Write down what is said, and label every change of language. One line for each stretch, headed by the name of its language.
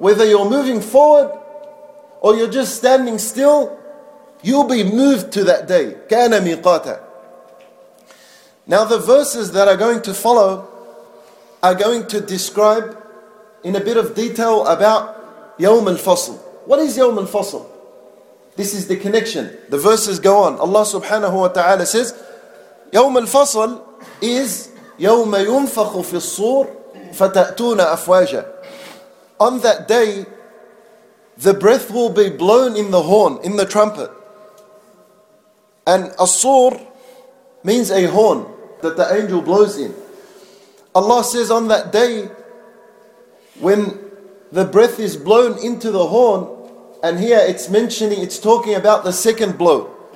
English: Whether you're moving forward or you're just standing still, you'll be moved to that day.
Arabic: كَانَ مِيقَاتًا.
English: Now the verses that are going to follow are going to describe in a bit of detail about
Arabic: يَوْم الْفَصْل.
English: What is
Arabic: يَوْم الْفَصْل?
English: This is the connection. The verses go on. Allah subhanahu wa ta'ala says,
Arabic: يَوْم الْفَصْل is يَوْمَ يُنْفَخُ فِي الصُّورِ فَتَأْتُونَ أَفْوَاجًا.
English: On that day, the breath will be blown in the horn, in the trumpet. And a sur means a horn that the angel blows in. Allah says on that day, when the breath is blown into the horn, and here it's mentioning, it's talking about the second blow.